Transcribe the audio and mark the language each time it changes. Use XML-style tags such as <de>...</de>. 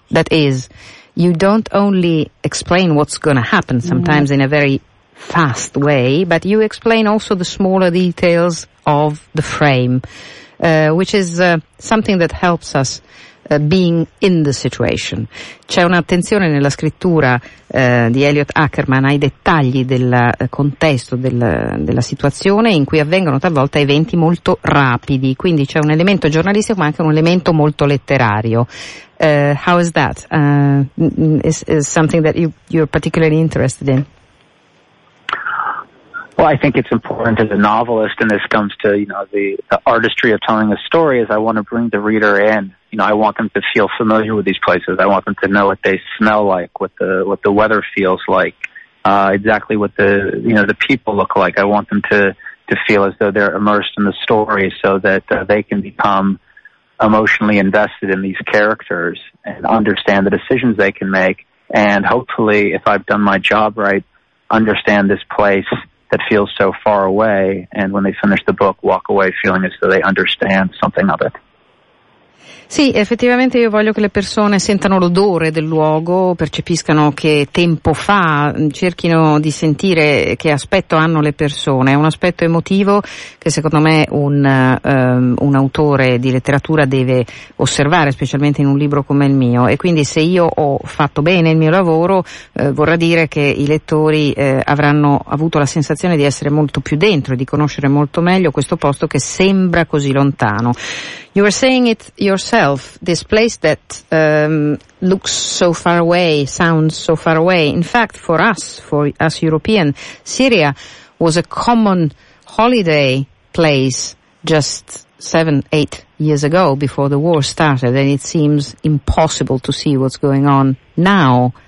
<en>That is, you don't only explain what's going to happen sometimes in a very fast way, but you explain also the smaller details of the frame, which is something that helps us being in the situation.</en> <it>C'è un'attenzione nella scrittura di Elliot Ackerman ai dettagli del contesto della situazione in cui avvengono talvolta eventi molto rapidi, quindi c'è un elemento giornalistico ma anche un elemento molto letterario.</it> <en>How is that? Is something that you're particularly interested in? Well, I think it's important as a novelist, and this comes to, you know, the artistry of telling a story, is I want to bring the reader in. You know, I want them to feel familiar with these places. I want them to know what they smell like, what the weather feels like, exactly what the people look like. I want them to feel as though they're immersed in the story so that they can become emotionally invested in these characters and understand the decisions they can make. And hopefully, if I've done my job right, understand this place that feels so far away, and when they finish the book, walk away feeling as though they understand something of it.</en> <it>Sì, effettivamente io voglio che le persone sentano l'odore del luogo, percepiscano che tempo fa, cerchino di sentire che aspetto hanno le persone. È un aspetto emotivo che secondo me un autore di letteratura deve osservare, specialmente in un libro come il mio. E quindi se io ho fatto bene il mio lavoro, vorrà dire che i lettori avranno avuto la sensazione di essere molto più dentro e di conoscere molto meglio questo posto che sembra così lontano.</it> <en>You were saying it yourself, this place that looks so far away, sounds so far away. In fact, for us European, Syria was a common holiday place just 7-8 years ago before the war started, and it seems impossible to see what's going on now.</en>